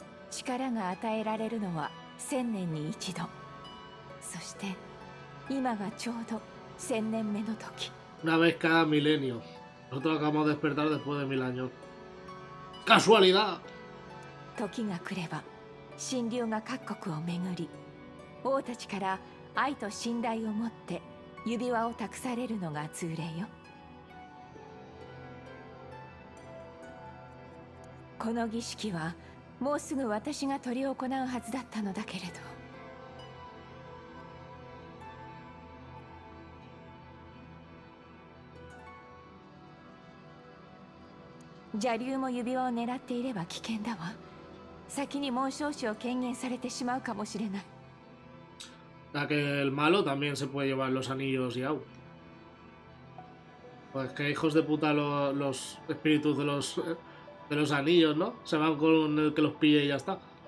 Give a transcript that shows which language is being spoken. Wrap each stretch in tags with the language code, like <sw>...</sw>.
<ja>力が与えられるのは千年に一度。そして今がちょうど千年目の時。</ja> <es>Una vez cada milenio. Nosotros acabamos de despertar después de mil años. ¡Casualidad!</es> <ja>時が来れば、神竜が各国を巡り、王たちから愛と信頼を持って。指輪を託されるのが通例よ。この儀式はもうすぐ私が執り行うはずだったのだけれど、邪竜も指輪を狙っていれば危険だわ。先に紋章師を権限されてしまうかもしれない。</ja> <es>Ya que el malo también se puede llevar los anillos y au. Pues que hijos de puta los espíritus de los anillos, ¿no? Se van con el que los pille y ya está.</es>